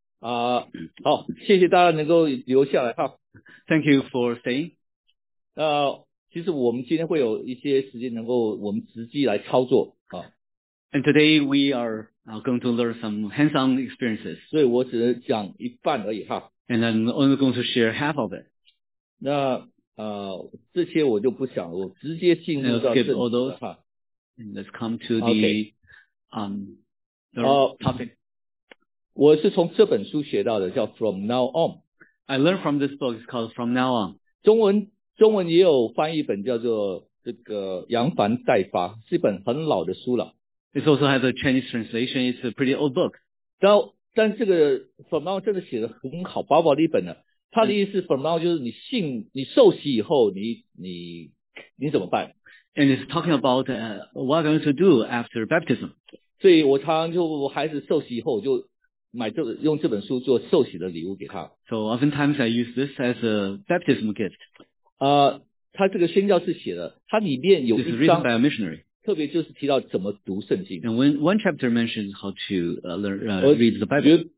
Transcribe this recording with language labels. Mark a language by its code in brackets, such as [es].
[zh] 好，谢谢大家能够留下来哈。 [en] Thank you for staying. [zh] 其实我们今天会有一些时间能够我们实际来操作啊。 [en] And today we are going to learn some hands-on experiences. [zh] 所以我只能讲一半而已哈。 [en] And I'm only going to share half of it. [zh] 那这些我就不想，我直接进入到正题了。 [en] Let's come to the, topic. [zh] 我是从这本书学到的，叫 From Now On. [en] I learned from this book, it's called From Now On. [zh] 中文也有翻译本叫做这个扬帆待发，是一本很老的书了。 [en] It also has a Chinese translation, it's a pretty old book. [zh] 但这个 From Now On 真的写得很好，薄薄的一本呢。它的意思 From Now On 就是你受洗以后你怎么办？ [en] And it's talking about what I'm going to do after baptism. [zh] 所以我常常就孩子受洗以后就用这本书做受洗的礼物给他。 [en] So oftentimes I use this as a baptism gift. [zh] 他这个宣教士写的，他里面有一章。 [en] This is written by a missionary. [zh] 特别就是提到怎么读圣经。 [en] And one chapter mentions how to read the Bible.